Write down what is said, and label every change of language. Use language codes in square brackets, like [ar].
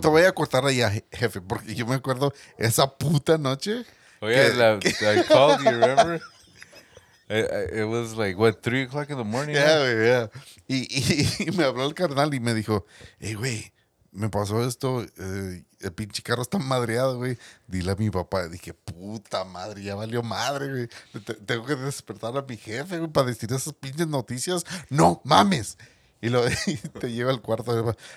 [es] Te voy a cortar allá, jefe, porque yo me acuerdo esa puta noche. [en] Oh, yeah, I called you, remember? It was like, what, 3 o'clock in the morning? Yeah. [es] Y me habló el carnal y me dijo, hey, güey, me pasó esto, el pinche carro está madreado, güey. Dile a mi papá, dije, puta madre, ya valió madre, güey. Tengo que despertar a mi jefe, güey, para decir esas pinches noticias. ¡No, mames! Y te lleva al cuarto, güey.